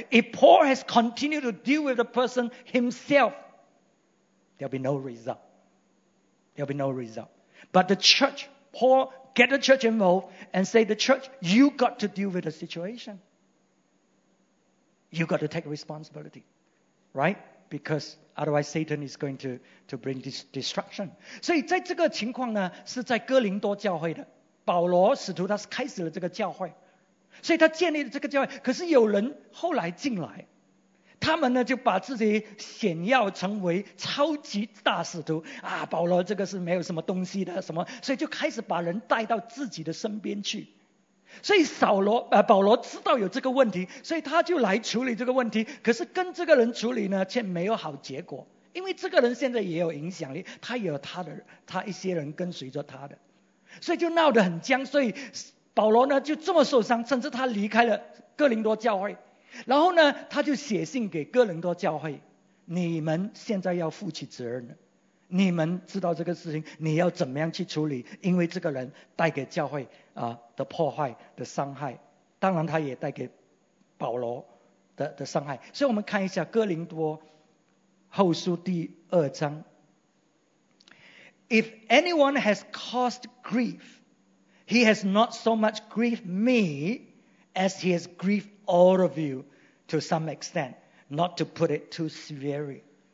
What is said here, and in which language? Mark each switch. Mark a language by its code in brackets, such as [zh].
[en] If Paul has continued to deal with the person himself, there'll be no result. There'll be no result. But the church, Paul,get the church involved and say, the church, you got to deal with the situation. You got to take responsibility. Right? Because otherwise Satan is going to bring this destruction. [zh] 所以在这个情况呢，是在哥林多教会的。保罗使徒他开始了这个教会。所以他建立了这个教会。可是有人后来进来。他们呢就把自己显耀成为超级大使徒啊，保罗这个是没有什么东西的什么，所以就开始把人带到自己的身边去。所以保罗知道有这个问题，所以他就来处理这个问题。可是跟这个人处理呢，却没有好结果，因为这个人现在也有影响力，他有他的他一些人跟随着他的，所以就闹得很僵。所以保罗呢就这么受伤，甚至他离开了哥林多教会，然后呢他就写信给哥林多教会，你们现在要负起责任了，你们知道这个事情你要怎么样去处理，因为这个人带给教会的破坏的伤害，当然他也带给保罗 的伤害。所以我们看一下哥林多后书第二章， [en] If anyone has caused grief, he has not so much grieved me as he has grieved all of you to some extent, not to put it too severely.